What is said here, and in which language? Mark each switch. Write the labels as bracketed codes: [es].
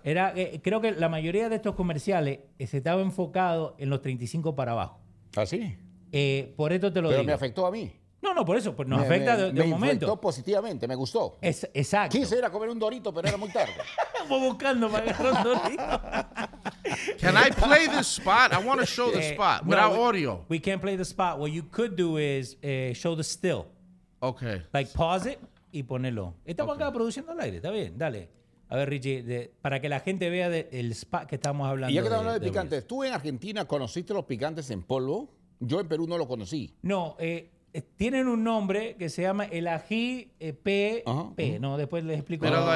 [es] Creo que la mayoría de estos comerciales se estaba enfocado en los 35 para abajo. ¿Ah, sí? Por esto te lo pero Pero me afectó a mí. No, por eso, pues nos afecta de me momento. Me afectó positivamente, me gustó. Exacto. Quise ir a comer un Dorito, pero era muy tarde. Voy buscando para agarrar un Dorito. [en] Can I play this spot? I want to show the spot without audio. We can't play the spot. What you could do is show the still. Okay. Like pause it [es] y ponelo. Estamos acá produciendo al aire, está bien, dale. A ver, Richie, para que la gente vea el spot que estamos hablando. Y ya que estamos hablando de picantes, ¿tú en Argentina conociste los picantes en polvo? Yo en Perú no lo conocí. No, tienen un nombre que se llama el ají P. Uh-huh. No, después les explico.